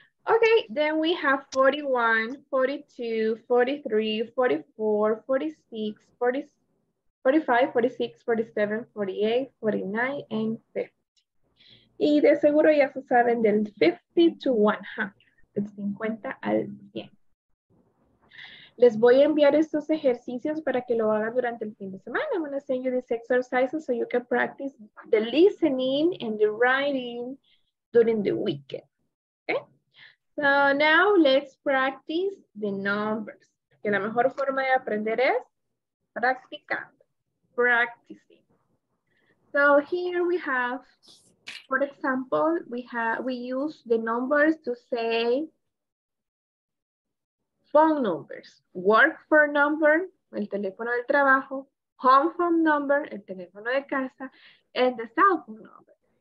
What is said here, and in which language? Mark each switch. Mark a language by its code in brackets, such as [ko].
[en] Okay, then we have 41, 42, 43, 44, 46, 40, 45, 46, 47, 48, 49, and 50. [es] Y de seguro ya se saben del 50 to 100, del 50 al 100. Les voy a enviar estos ejercicios para que lo hagan durante el fin de semana. [en] I'm going to send you these exercises so you can practice the listening and the writing during the weekend. So now let's practice the numbers. [es] Que la mejor forma de aprender es practicando, practicing. [en] So here we have, for example, we use the numbers to say phone numbers, work phone number, [es] el teléfono del trabajo, [en] home phone number, [es] el teléfono de casa, [en] and the cell phone number.